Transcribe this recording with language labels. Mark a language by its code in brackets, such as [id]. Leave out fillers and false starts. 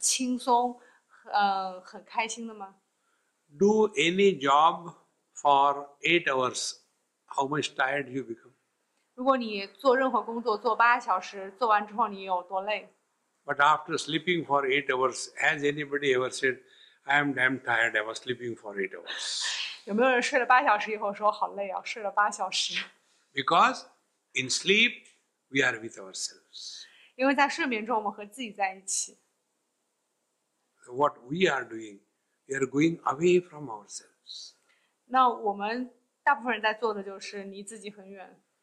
[zh] 我们在一个很深长的睡眠醒来以后，我们是感觉很轻松，很开心的吗？ [en] Do any job for 8 hours, how much tired you become? [zh] 如果你做任何工作做8小时，做完之后你有多累？ [en] But after sleeping for 8 hours, has anybody ever said, "I am damn tired. I was sleeping for 8 hours"? [zh] 有没有人睡了8小时以后说好累啊，睡了8小时？ [en] Because in sleep we are with ourselves. [zh] 因为在睡眠中我们和自己在一起。 [en] What we are doing, we are going away from ourselves. [zh] 那我们大部分人在做的就是离自己很远。